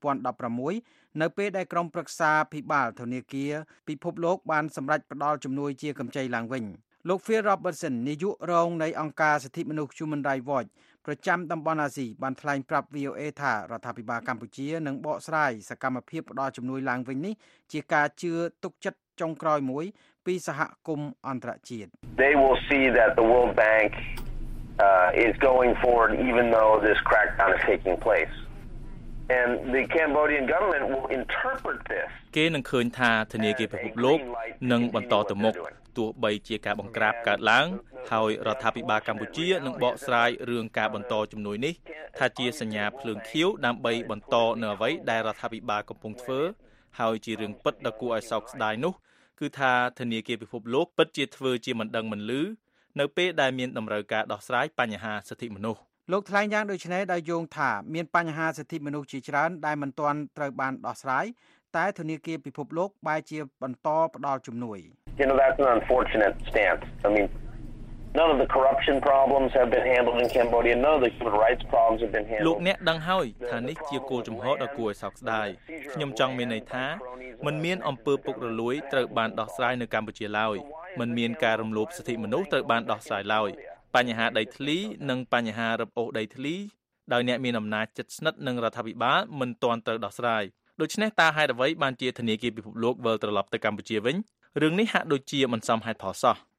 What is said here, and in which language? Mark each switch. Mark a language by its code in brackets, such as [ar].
[km] 2016នៅពេលដែលក្រុមប្រឹក្សាភិបាលធនាគារពិភពលោកបានសម្រេចផ្ដល់ជំនួយជាកម្ចីឡើងវិញលោក Phil Robertson នាយករងនៃអង្គការសិទ្ធិមនុស្ស Human Rights Watch ប្រចាំតំបន់អាស៊ីបានថ្លែងប្រាប់ VOA ថារដ្ឋាភិបាលកម្ពុជានឹងបកស្រាយសកម្មភាពផ្តល់ជំនួយឡើងវិញនេះជាការជឿទុកចិត្តចុងក្រោយមួយពីសហគមន៍អន្តរជាតិ [en] They will see that the World Bank is going forward even though this crackdown is taking place and the Cambodian government will interpret this [km] គេនឹងឃើញថាធនាគារពិភពលោកនឹងបន្តទៅមុខទោះបីជាការបង្ក្រាបកើតឡើងហើយរដ្ឋាភិបាលកម្ពុជានឹងបកស្រាយរឿងការបន្តជំនួយនេះថាជាសញ្ញាភ្លើងខៀវដើម្បីបន្តនៅអ្វីដែលរដ្ឋាភិបាលកំពុងធ្វើហើយជារឿងពិតដ៏គួរឲ្យសោកស្ដាយនោះគឺថាធនាគារពិភពលោកពិតជាធ្វើជាមិនដឹងមិនឮនៅពេលដែលមានតម្រូវការដោះស្រាយបញ្ហាសិទ្ធិមនុស្ស លោកថ្លែងយ៉ាងដូច្នេះដោយយោងថាមានបញ្ហាសិទ្ធិមនុស្សជាច្រើនដែលមិនទាន់ត្រូវបានដោះស្រាយតែធនាគារពិភពលោកបែរជាបន្តផ្តល់ជំនួយ [en] You know, that's an unfortunate stance. I mean, None of the corruption problems have been handled in Cambodia. None of the human rights problems have been handled. [km] លោកអ្នកដឹងហើយថានេះជាគោលចំហដ៏គួរឲ្យសោកស្ដាយខ្ញុំចង់មានន័យថាមិនមានអំពើពុករលួយត្រូវបានដោះស្រាយនៅកម្ពុជាឡើយមិនមានការរំលោភសិទ្ធិមនុស្សត្រូវបានដោះស្រាយឡើយបញ្ហាដីធ្លីនិងបញ្ហារឹបអូសដីធ្លីដោយអ្នកមានអំណាចជិតស្និទ្ធនឹងរដ្ឋាភិបាលមិនទាន់ត្រូវដោះស្រាយដូច្នេះតើហេតុអ្វីបានជាធនាគារពិភពលោកវិលត្រឡប់ទៅកម្ពុជាវិញរឿងនេះហាក់ដូចជាមិនសមហេតុផលសោះ